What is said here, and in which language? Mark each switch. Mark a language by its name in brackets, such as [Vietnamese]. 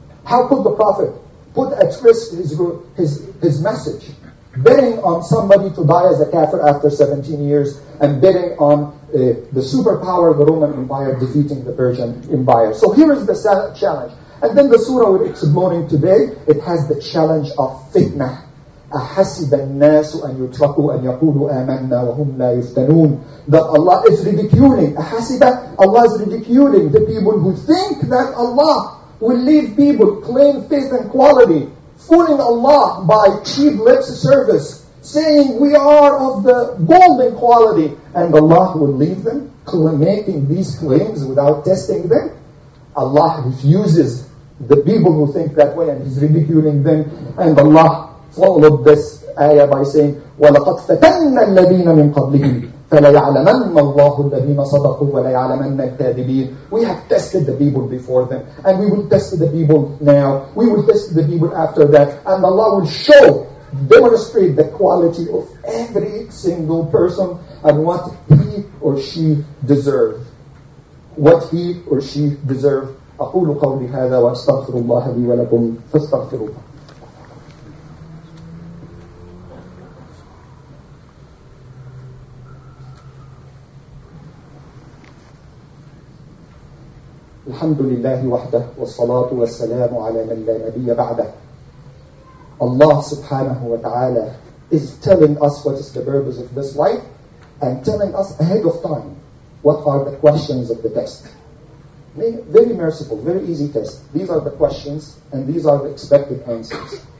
[English] How could the Prophet put at risk his message, betting on somebody to die as a kafir after 17 years, and betting on the superpower of the Roman Empire defeating the Persian Empire? So here is the challenge. And then the surah we're exploring today, it has the challenge of fitnah. [Arabic] أَحَسِبَ النَّاسُ أَنْ يُتْرَكُوا أَنْ يَقُولُوا آمَنَّا وَهُمْ لَا يُفْتَنُونَ, [English] that Allah is ridiculing. أَحَسِبَ, Allah is ridiculing the people who think that Allah will leave people, claim faith and quality, fooling Allah by cheap lip service, saying we are of the golden quality, and Allah will leave them, making these claims without testing them. Allah refuses the people who think that way, and he's ridiculing them. And Allah followed this ayah by saying, [Arabic] وَلَقَدْ فَتَنَّ الَّذِينَ مِنْ قَبْلِهِمْ فَلَيَعْلَمَنَّ اللَّهُ الَّذِينَ صَدَقُوا وَلَيَعْلَمَنَّ الْكَاذِبِينَ. [English] We have tested the people before them, and we will test the people now. We will test the people after that, and Allah will show, demonstrate the quality of every single person and what he or she deserves. What he or she deserves. [Arabic] أقول قولي هذا وأستغفر الله لي ولكم فاستغفروه. الحمد لله وحده والصلاة والسلام على من لا نبي بعده. [English] Allah subhanahu wa ta'ala is telling us what is the purpose of this life and telling us ahead of time what are the questions of the test. Very merciful, very easy test. These are the questions and these are the expected answers.